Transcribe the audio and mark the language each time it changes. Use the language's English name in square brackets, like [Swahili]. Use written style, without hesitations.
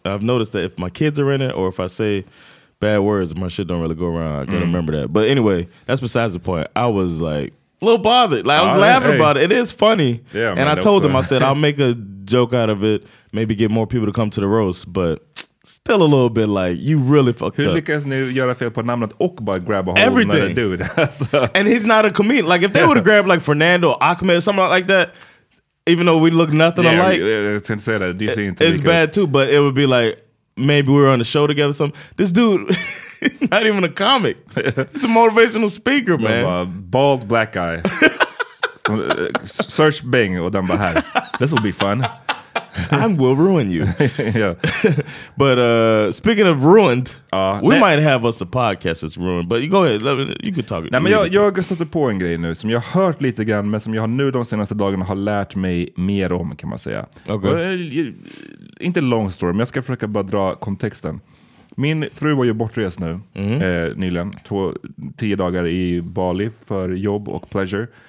[English] I've noticed that if my kids are in it or if I say bad words, my shit don't really go around. I gotta remember that. But anyway, that's besides the point. I was like, a little bothered. Like, I was laughing about it. It is funny. Yeah, and I told them, I said, I'll make a joke out of it. Maybe get more people to come to the roast. But still a little bit like, you really fucked [Swedish] hur [English] up. [Swedish] Hur lyckas ni göra fel på namnet och bara [English] grab a hold everything. [Swedish] När dude? [English] And he's not a comedian. Like, if they would have grabbed, like, Fernando or Ahmed or something like that, even though we look nothing alike, it's bad too, but it would be like, maybe we were on the show together or something. This dude, not even a comic. He's a motivational speaker, man. No, bald black guy. [Swedish] Search Bing och den bara här. [English] This will be fun. I will ruin you. Yeah. But speaking of ruined, might have us a podcast that's ruined. But you go ahead. You can talk. [Swedish] Nej, men jag har stött på en grej nu som jag har hört lite grann, men som jag har nu de senaste dagarna har lärt mig mer om, kan man säga. [English] Okay. [Swedish] Och, inte [English] long story, [Swedish] men jag ska försöka bara dra kontexten. Min fru var ju bortrest nu, nyligen. 10 dagar i Bali för jobb och [English] pleasure.